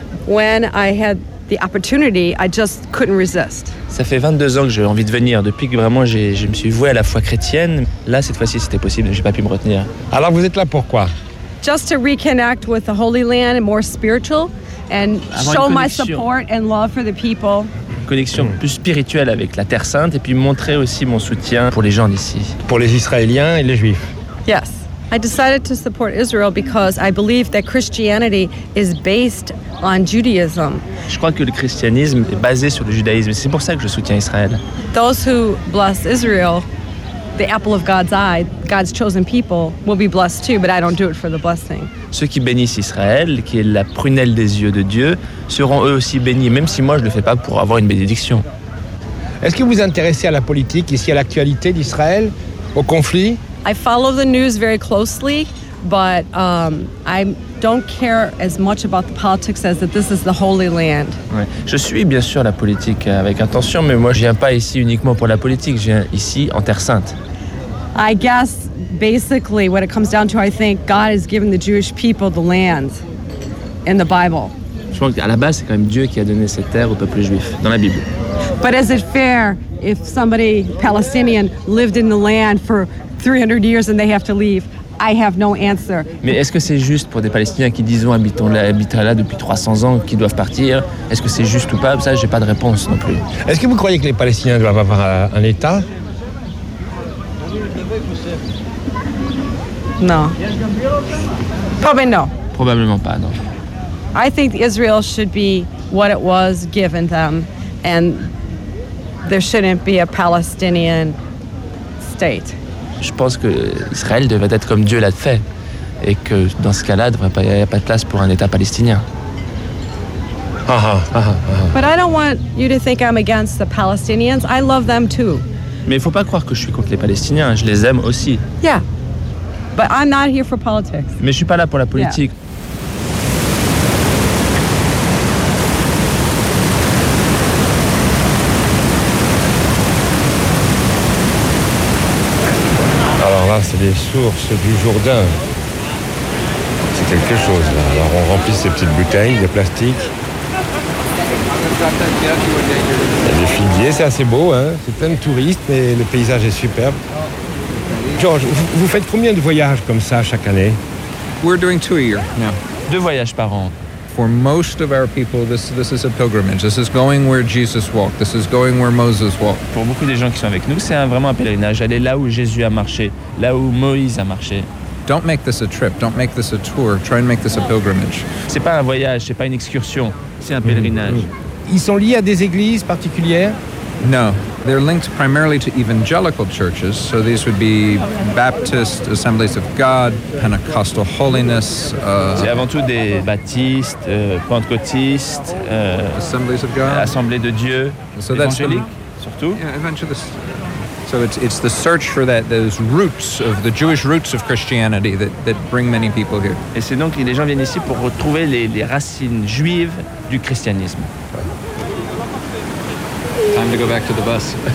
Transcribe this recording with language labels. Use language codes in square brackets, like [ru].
[en] When I had the opportunity, I just couldn't resist. [fr] Ça fait 22 ans que j'ai envie de venir. Depuis que vraiment je me suis voué à la foi chrétienne, là cette fois-ci c'était possible, j'ai pas pu me retenir. Alors vous êtes là pourquoi? [en] Just to reconnect with the Holy Land and more spiritual and show my support and love for the people. [fr] Connexion plus spirituelle avec la Terre Sainte et puis montrer aussi mon soutien pour les gens d'ici. Pour les Israéliens et les Juifs. [en] Yes, I decided to support Israel because I believe that Christianity is based on Judaism. [fr] Je crois que le christianisme est basé sur le judaïsme. C'est pour ça que je soutiens Israël. [en] Those who bless Israel, the apple of God's eye, God's chosen people, will be blessed too. But I don't do it for the blessing. [fr] Ceux qui bénissent Israël, qui est la prunelle des yeux de Dieu, seront eux aussi bénis, même si moi je ne le fais pas pour avoir une bénédiction. Est-ce que vous vous intéressez à la politique ici, à l'actualité d'Israël, au conflit? [en] I follow the news very closely, but I don't care as much about the politics as that this is the Holy Land. [fr] Ouais. Je suis bien sûr la politique avec attention, mais moi je ne viens pas ici uniquement pour la politique, je viens ici en Terre Sainte. [en] I guess basically what it comes down to, I think God has given the Jewish people the land in the Bible. [fr] Je pense qu'à la base c'est quand même Dieu qui a donné cette terre au peuple juif dans la Bible. [en] But is it fair if somebody Palestinian lived in the land for 300 years and they have to leave? I have no answer. [fr] Mais est-ce que c'est juste pour des Palestiniens qui disons habitent là depuis 300 ans qui doivent partir? Est-ce que c'est juste ou pas? Ça, j'ai pas de réponse non plus. Est-ce que vous croyez que les Palestiniens doivent avoir un état? Non. [en] Probably no. [fr] Probablement pas, non. [en] I think Israel should be what it was given them, and there shouldn't be a Palestinian state. [fr] Je pense que Israël devrait être comme Dieu l'a fait, et que dans ce cas-là, il n'y a pas de place pour un État palestinien. [en] But I don't want you to think I'm against the Palestinians. I love them too. [fr] Mais il ne faut pas croire que je suis contre les Palestiniens. Je les aime aussi. [en] Yeah. But I'm not here for politics. [fr] Mais je ne suis pas là pour la politique. [en] Yeah. [fr] Alors là, c'est les sources du Jourdain. quelque chose. Alors on remplit ces petites bouteilles de plastique. Il y a des figuiers, c'est assez beau, hein. C'est plein de touristes, mais le paysage est superbe. George, vous faites combien de voyages comme ça chaque année? [en] We're doing two a year now. [fr] Deux voyages par an. [en] For most of our people, this is a pilgrimage. This is going where Jesus walked. This is going where Moses walked. [fr] Pour beaucoup des gens qui sont avec nous, c'est vraiment un pèlerinage. Aller là où Jésus a marché, là où Moïse a marché. [en] Don't make this a trip. Don't make this a tour. Try and make this a pilgrimage. [fr] C'est pas un voyage, c'est pas une excursion. C'est un pèlerinage. Ils sont liés à des églises particulières? [en] No. They're linked primarily to evangelical churches, so these would be Baptist Assemblies of God, Pentecostal Holiness. [fr] C'est avant tout des baptistes, pentecôtistes, [en] Assemblies of God. [fr] Assemblées de Dieu. So évangéliques, surtout. [en] Yeah, evangelists. So it's the search for that those roots of the Jewish roots of Christianity that bring many people here. [fr] Et c'est donc les gens viennent ici pour retrouver les racines juives du christianisme. [en] Time to go back to the bus.